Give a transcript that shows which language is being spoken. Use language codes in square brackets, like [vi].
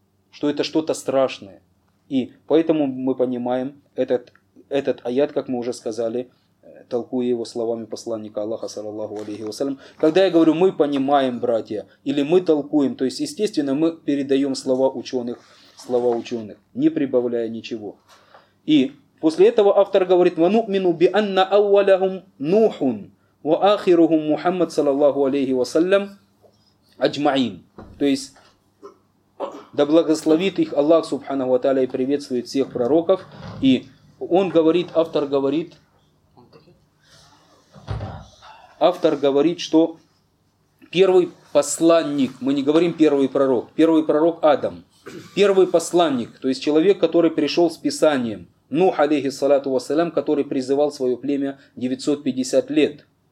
[ru] Что это что-то страшное. И поэтому мы понимаем этот аят, как мы уже сказали, толкуя его словами посланника Аллаха, саллаллаху алейхи ва саллям. Когда я говорю, мы понимаем, братья, или мы толкуем, то есть, естественно, мы передаем слова ученых, не прибавляя ничего. И после этого автор говорит, [ar] وَنُؤْمِنُ بِأَنَّ أَوَّلَهُمْ نُوحٌ وَآخِرُهُمْ مُحَمَّدْ صَلَّى اللَّهُ أَجْمَعِينَ. [ru] То есть, да благословит их Аллах, субханаху ва тааля, и приветствует всех пророков. И он говорит, автор говорит, что первый посланник, мы не говорим первый пророк Адам, первый посланник, то есть человек, который пришел с Писанием, Нух, алейхи салату вассалям, который призывал свое племя 950 лет.